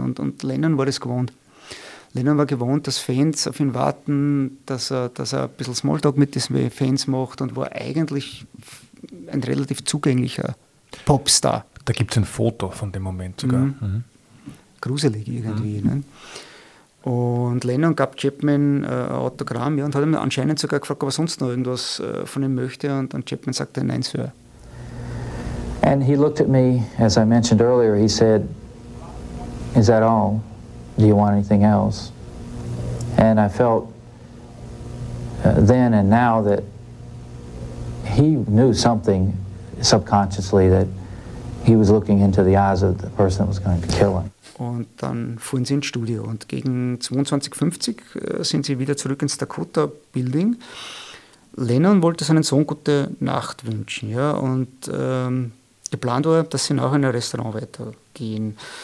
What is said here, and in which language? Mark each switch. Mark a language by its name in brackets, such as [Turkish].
[German] Und Lennon war das gewohnt. Lennon war gewohnt, dass Fans auf ihn warten, dass er ein bisschen Smalltalk mit den Fans macht und war eigentlich ein relativ zugänglicher Popstar. Da gibt es ein Foto von dem Moment sogar. Mhm. Mhm. Gruselig irgendwie. Mhm. Ne? Und Lennon gab Chapman ein Autogramm, ja, und hat ihm anscheinend sogar gefragt, ob er sonst noch irgendwas von ihm möchte. Und dann Chapman sagte, nein, Sir. [English] And he looked at me, as I mentioned earlier, he said, is that all? Do you want anything else? And I felt then and now that he knew something subconsciously, that he was looking into the eyes of the person that was going to kill him. [German] Und dann fuhren sie ins Studio und gegen 22:50 sind sie wieder zurück ins Dakota Building. Lennon wollte seinen Sohn gute Nacht wünschen, ja, und geplant war, dass sie nachher in ein Restaurant weitergehen.